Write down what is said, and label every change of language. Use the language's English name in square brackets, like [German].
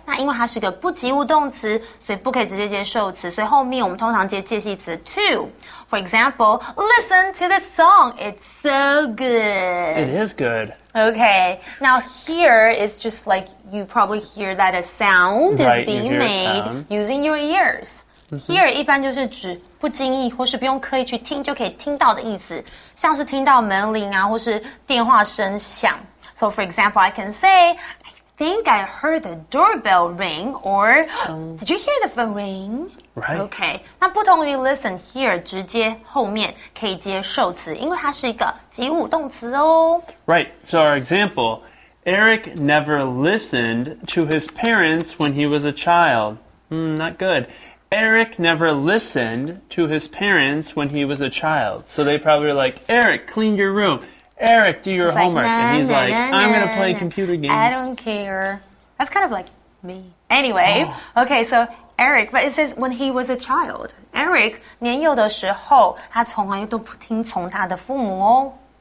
[Chinese] 那因为它是个不及物动词所以不可以直接接受词所以后面我们通常接介系词 to. [English] For example, listen to this song, it's so good. It is good. Okay, now here is just like you probably hear that a sound right, is being made using your ears.、 Mm-hmm. [Chinese] Here 一般就是指不经意或是不用刻意去听就可以听到的意思，像是听到门铃啊或是电话声响。 [English] So for example, I can say, I think I heard the doorbell ring or、did you hear the phone ring? Right. [Chinese] Okay, 那不同于 listen, hear 直接后面可以接受词，因为它是一个及物动词哦。 [English] Right, so our example, Eric never listened to his parents when he was a child. Not good. Eric never listened to his parents when he was a child. So they probably were like, Eric, clean your room. Eric, do your homework. Like, nah, and he's nah, like, nah, I'm going to play computer games. I don't care. That's kind of like me. Anyway,、okay, so... Eric, but it says when he was a child. [Chinese] Eric, 年幼的时候他从来都不听从他的父母哦。